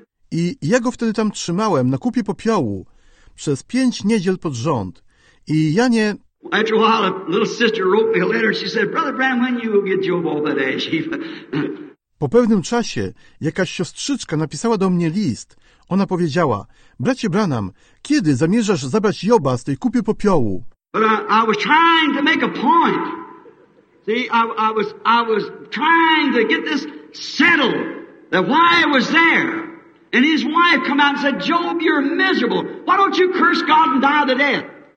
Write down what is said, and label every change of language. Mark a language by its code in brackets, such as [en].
[pl] I ja go wtedy tam trzymałem na kupie popiołu przez 5 niedziel pod rząd. I ja nie... [en] After a while, a little sister wrote me a letter. She said, Brother Branham, when you will get Job all that ash heap? [pl] Po pewnym czasie jakaś siostrzyczka napisała do mnie list. Ona powiedziała, bracie Branham, kiedy zamierzasz zabrać Joba z tej kupy popiołu? [en] But I was trying to make a point. See, I was trying to get this settled, that why I was there. And his wife come out and said, Job, you're miserable. Why don't you curse God and die to death?